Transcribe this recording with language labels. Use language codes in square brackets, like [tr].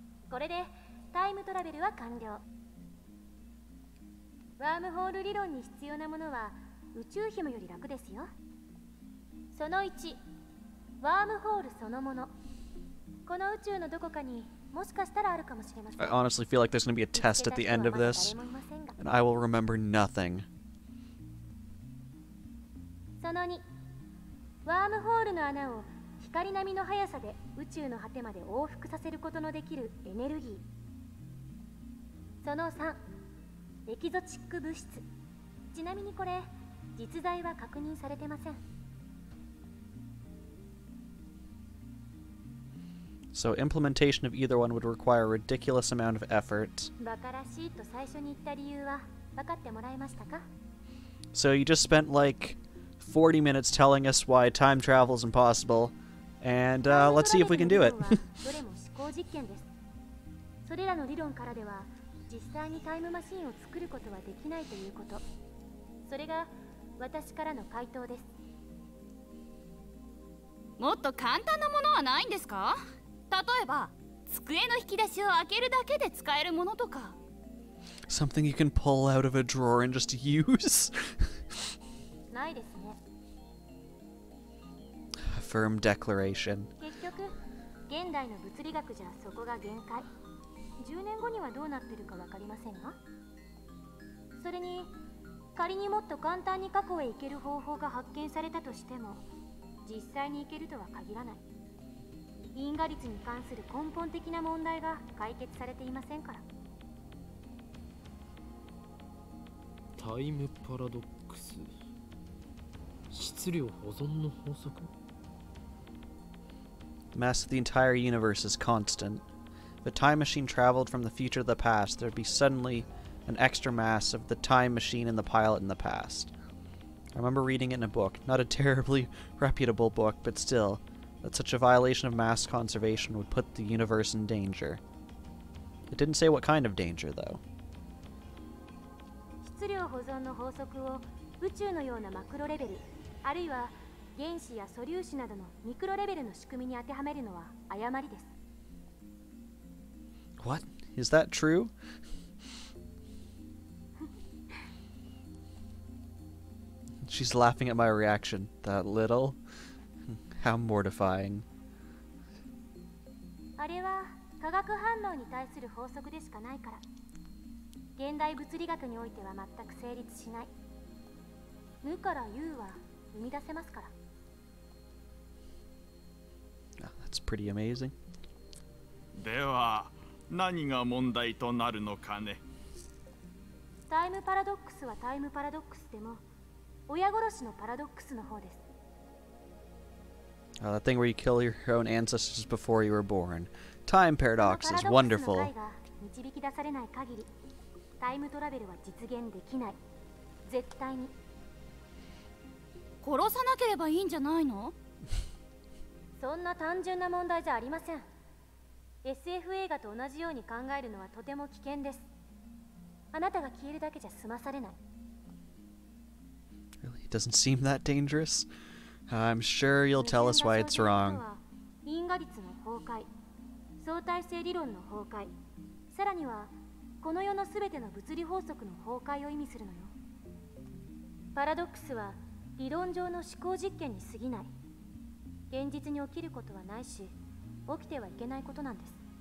[ja] これでタイムトラベルは完了。ワームホール理論に必要なものは宇宙ひもより楽ですよ。その1、ワームホールそのもの。この宇宙のどこかに [en] I honestly feel like there's going to be a test at the end of this, and I will remember nothing. [ja] その2、ワームホールの穴を光光並みの速さで宇宙の果てまで往復させることのできるエネルギー。その3、エキゾチック物質。ちなみにこれ実在は確認されてません。 [en] So implementation of either one would require a ridiculous amount of effort. [ja] バカらしいと最初に言った理由は分かってもらえましたか？ [en] So you just spent like 40 minutes telling us why time travel is impossible, and let's see if we can do it. [ja] どれも思考実験です。それらの理論からでは実際にタイムマシンを作ることはできないということ。それが私からの回答です。もっと簡単なものはないんですか？例えば机の引き出しを開けるだけで使えるものとか。 [en] Something you can pull out of a drawer and just use? [ja] ないですね。 [en] A firm declaration. [ja] 結局、現代の物理学じゃそこが限界。 10年後にはどうなってるかわかりませんが。それに、仮にもっと簡単に過去へ行ける方法が発見されたとしても、実際に行けるとは限らない。因果律に関する根本的な問題が解決されていませんから。タイムパラドックス、質量保存の法則。 [en] Mass of the entire universe is constant. If a time machine traveled from the future to the past, there'd be suddenly an extra mass of the time machine and the pilot in the past. I remember reading it in a book, not a terribly reputable book, but still, that such a violation of mass conservation would put the universe in danger. It didn't say what kind of danger, though. [ja] 質量保存の法則を宇宙のようなマクロレベル、あるいは原子や素粒子などのミクロレベルの仕組みに当てはめるのは誤りです。 [en] What? Is that true? She's laughing at my reaction. That little? How mortifying. [ja] あれは化学反応に対する法則でしかないから。現代物理学においては全く成立しない。無から有は生み出せますから。 [en] Oh, that's pretty amazing. [ja] では、何が問題となるのかね。タイムパラドックスはタイムパラドックスでも、親殺しのパラドックスの方です。 [en] That thing where you kill your own ancestors before you were born. Time paradox is wonderful. [ja] パラドックスの解が導き出されない限り、タイムトラベルは実現できない。絶対に。殺さなければいいんじゃないの？そんな単純な問題じゃありません。SF 映画と同じように考えるのはとても危険です。あなたが消えるだけじゃ済まされない。 [en] Really? It doesn't seem that dangerous? I'm sure you'll tell us why it's wrong. [ja] 因果律の崩壊、相対性理論の崩壊、さらには、この世のすべての物理法則の崩壊を意味するのよ。パラドックスは理論上の思考実験に過ぎない。現実に起きることはないし、起きてはいけないことなんです。